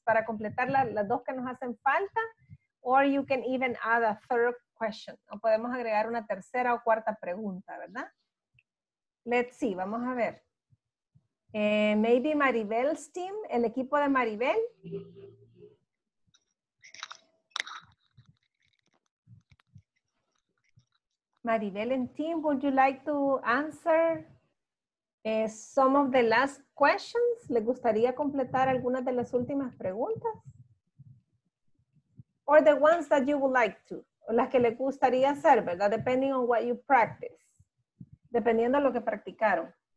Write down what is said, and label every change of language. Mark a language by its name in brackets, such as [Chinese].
[Spanish] Para completar las dos que nos hacen falta. [English] Or you can even add a third question. [Spanish] O podemos agregar una tercera o cuarta pregunta, ¿verdad? [English] Let's see. [Spanish] Vamos a ver. [English] Maybe Maribel's team, [Spanish] el equipo de Maribel. Mm-hmm. [English] Maribel and Tim, would you like to answer some of the last questions? [Spanish] ¿Le gustaría completar algunas de las últimas preguntas? [English] Or the ones that you would like to, [Spanish] o las que le gustaría hacer, ¿verdad? [English] Depending on what you practice, [Spanish] dependiendo de lo que practicaron.